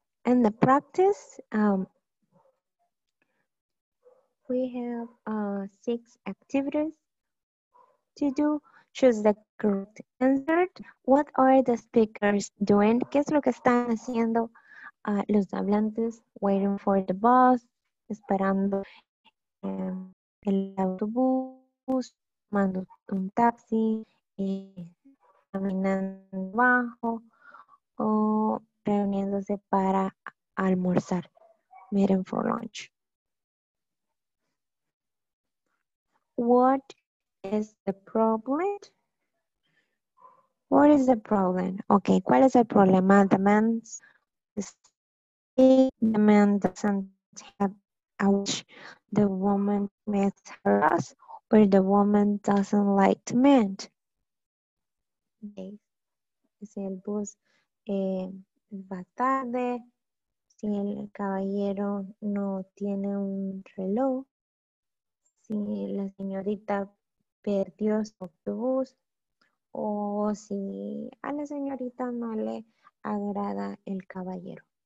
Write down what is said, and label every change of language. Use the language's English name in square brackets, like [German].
[English] In the practice, we have 6 activities to do. Choose the correct answer. What are the speakers doing? [Spanish] ¿Qué es lo que están haciendo los hablantes? [English] Waiting for the bus, [Spanish] esperando el autobús, tomando un taxi, caminando abajo o reuniéndose para almorzar. [English] Waiting for lunch. What is the problem? What is the problem? Okay, [Spanish] ¿cuál es el problema? [English] The man doesn't have a watch. The woman meets her boss, or the woman doesn't like the man. Okay. [Spanish] Si el bus va tarde, si el caballero no tiene un reloj, si la señorita perdió su autobús, o si a la señorita no le agrada el caballero.